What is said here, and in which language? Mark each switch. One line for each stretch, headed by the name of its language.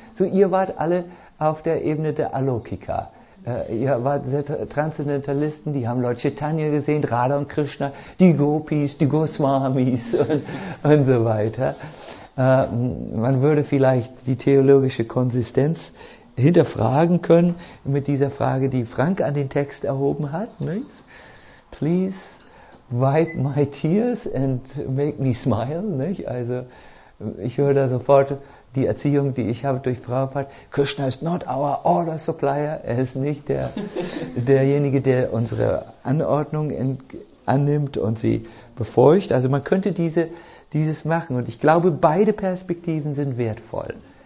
German: So, ihr wart alle auf der Ebene der Alokika. Ihr wart Transzendentalisten, die haben Lord Chaitanya gesehen, Radha und Krishna, die Gopis, die Goswamis und so weiter. Man würde vielleicht die theologische Konsistenz hinterfragen können mit dieser Frage, die Frank an den Text erhoben hat. Nicht?
English: Please wipe my tears and make me smile.
German: Nicht? Also ich höre da sofort die Erziehung, die ich habe durch Prabhupada.
English: Krishna is not our order supplier.
German: Er ist nicht derjenige, der unsere Anordnung annimmt und sie befolgt. Also man könnte dieses machen. Und ich glaube, beide Perspektiven sind wertvoll.